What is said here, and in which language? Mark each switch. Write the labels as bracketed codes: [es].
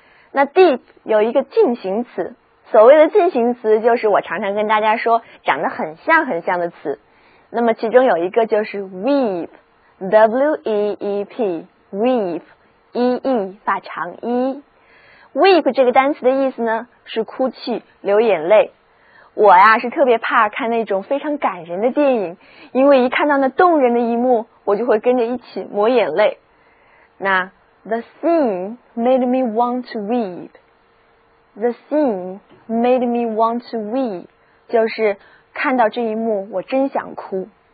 [zh] 那 deep 有一个进行词，所谓的进行词就是我常常跟大家说长得很像很像的词，那么其中有一个就是 weep， W-E-E-P， weep，一意发长一。Weep 这个单词的意思呢，是哭泣、流眼泪。我呀，是特别怕看那种非常感人的电影，因为一看到那动人的一幕，我就会跟着一起抹眼泪。 [en] 那 The scene made me want to weep. The scene made me want to weep. [zh] 就是看到这一幕，我真想哭。